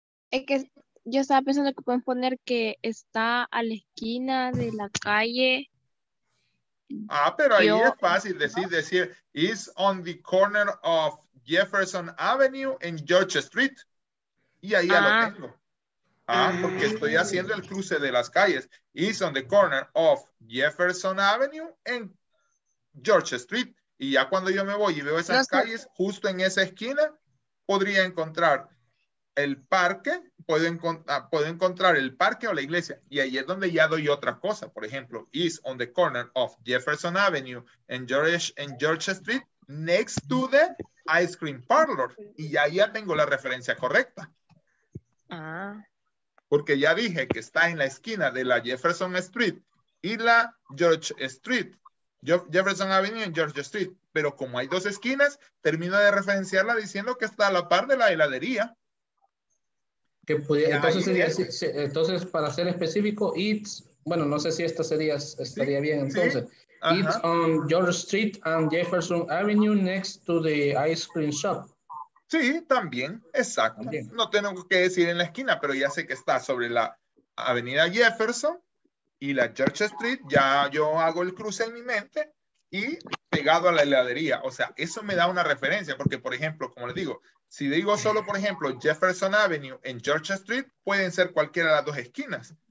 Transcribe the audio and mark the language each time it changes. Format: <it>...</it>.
<es>Es que yo estaba pensando que pueden poner que está a la esquina de la calle. Pero ahí es fácil decir</es> <en>is on the corner of Jefferson Avenue and George Street.</en> <es>Y ahí ya lo tengo. Porque estoy haciendo el cruce de las calles.</es> <en>It's on the corner of Jefferson Avenue and George Street.</en> <es>Y ya cuando yo me voy y veo esas calles, justo en esa esquina, podría encontrar el parque, puedo encontrar el parque o la iglesia. Y ahí es donde ya doy otra cosa. Por ejemplo,</es> <en>it's on the corner of Jefferson Avenue and George Street next to the ice cream parlor.</en> <es>Y ya tengo la referencia correcta. porque ya dije que está en la esquina de la Jefferson Street y la George Street. Jefferson Avenue y George Street. Pero como hay dos esquinas, termino de referenciarla diciendo que está a la par de la heladería. Que pudiera, entonces, sería, entonces, para ser específico, it's, bueno, no sé si esta sería, estaría sí, bien entonces. Sí.</es> <en>It's on George Street and Jefferson Avenue next to the ice cream shop.</en> <es>Sí, también, exacto. También. No tengo que decir en la esquina, pero ya sé que está sobre la avenida Jefferson y la George Street. Ya yo hago el cruce en mi mente y pegado a la heladería. O sea, eso me da una referencia porque, por ejemplo, como les digo, si digo solo, por ejemplo, Jefferson Avenue en George Street, pueden ser cualquiera de las dos esquinas.</es>